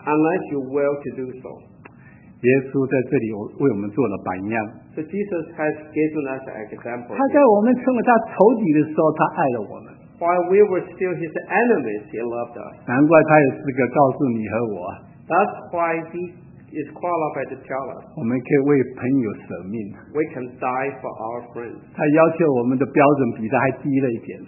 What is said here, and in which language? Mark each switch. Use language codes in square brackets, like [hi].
[en] Unless you will to do so. [zh] 耶稣在这里为我们做了榜样。 [en] So Jesus has given us an example. [zh] 他在我们成了他仇敌的时候，他爱了我们。 [en] While we were still his enemies, he loved us. [zh] 难怪他有资格告诉你和我。 [en] That's why he is qualified to tell us. [zh] 我们可以为朋友舍命。 [en] We can die for our friends. [zh] 他要求我们的标准比他还低了一点。